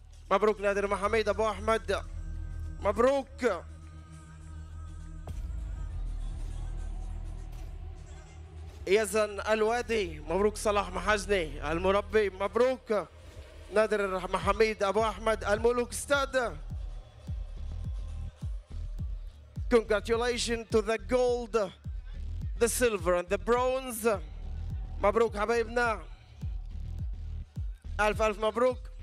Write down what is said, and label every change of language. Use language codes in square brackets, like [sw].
[ar] مبروك نادر محمد ابو احمد مبروك. يزن الوادي مبروك صلاح محجني المربي مبروك نادر محمد ابو احمد الملوك استاد. [en] Congratulations to the gold the silver and the bronze. [ar] مبروك حبايبنا الف الف مبروك.